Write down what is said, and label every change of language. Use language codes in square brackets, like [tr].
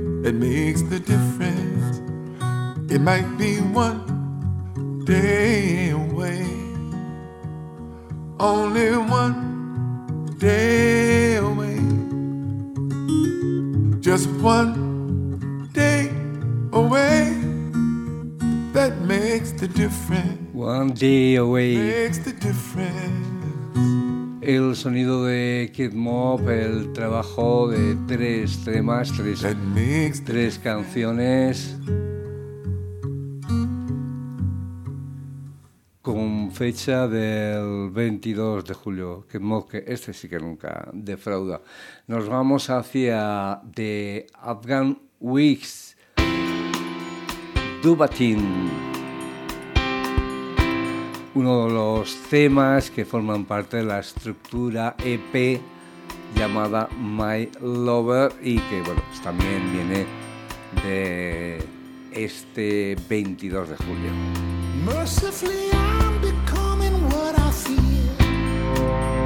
[en] It makes the difference. It might be one day away, only one day away, just one day away that makes the difference. One day away makes the difference. [es] El sonido de Kid Mop, el trabajo de tres temas, tres canciones con fecha del 22 de julio. Kid Mop, que este sí que nunca defrauda. Nos vamos hacia The Afghan Whigs, Dubatin. Uno de los temas que forman parte de la estructura EP llamada My Lover y que, bueno, pues también viene de este 22 de julio. [en] Mercifully I'm becoming what I feel.